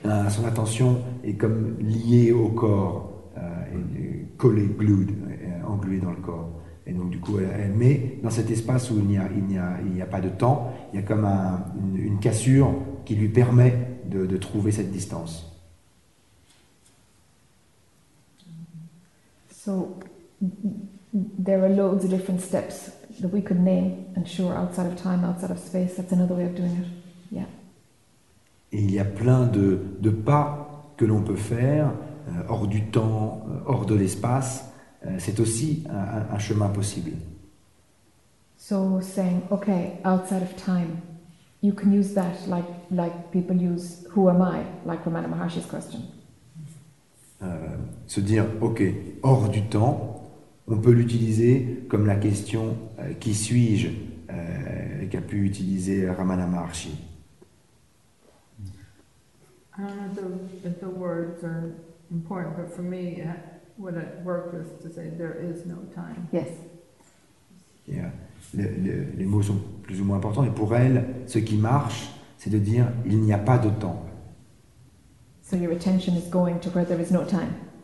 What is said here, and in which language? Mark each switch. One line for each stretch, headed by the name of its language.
French: Son attention est comme liée au corps, collée,
English: glued,
French: engluée dans le corps. Et donc du coup, elle met dans cet espace où il n'y a pas de temps, il y a comme une cassure qui lui permet de trouver cette distance.
English: So, there are loads of different steps that we could name, and sure, outside of time, outside of space, that's another way of doing it. Yeah.
French: Et il y a plein de pas que l'on peut faire, hors du temps, hors de l'espace. C'est aussi un chemin possible.
English: So saying, okay, outside of time, you can use that like people use, who am I, like Ramana Maharshi's question.
French: Se dire, okay, hors du temps, on peut l'utiliser comme la question, qui suis-je, qu'a pu utiliser Ramana Maharshi.
English: I don't know if the words are important, but for me, what it worked was to say there is no time. Yes. Yeah.
French: Les mots sont plus ou moins importants, et pour elle, ce qui marche, c'est de dire il n'y a pas de temps.
English: So your attention is going to where there is no time.